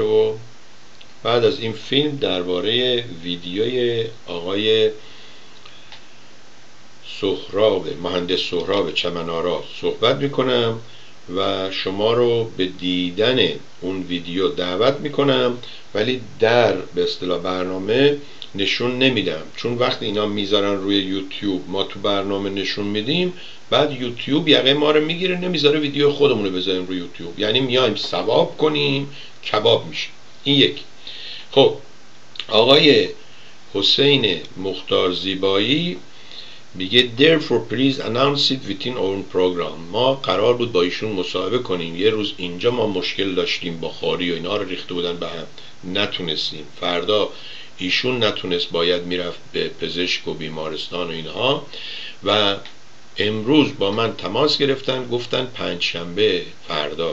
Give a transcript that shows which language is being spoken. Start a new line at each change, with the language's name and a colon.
Persian: و بعد از این فیلم درباره ویدیوی آقای سهراب، مهندس سهراب چمنارا صحبت میکنم و شما رو به دیدن اون ویدیو دعوت میکنم، ولی در به اصطلاح برنامه نشون نمیدم، چون وقتی اینا میذارن روی یوتیوب ما تو برنامه نشون میدیم، بعد یوتیوب یقه ما رو میگیره نمیذاره ویدیو خودمون رو بذاریم روی یوتیوب، یعنی میایم ثواب کنیم کباب میشه. این یک. خب آقای حسین مختار زیبایی میگه
English: therefore please announce it within own program.
Persian: ما قرار بود با ایشون مصاحبه کنیم، یه روز اینجا ما مشکل داشتیم بخاری و اینا رو ریخته بودن به هم، نتونستیم. فردا ایشون نتونست، باید میرفت به پزشک و بیمارستان و اینها، و امروز با من تماس گرفتن گفتن پنج شنبه فردا.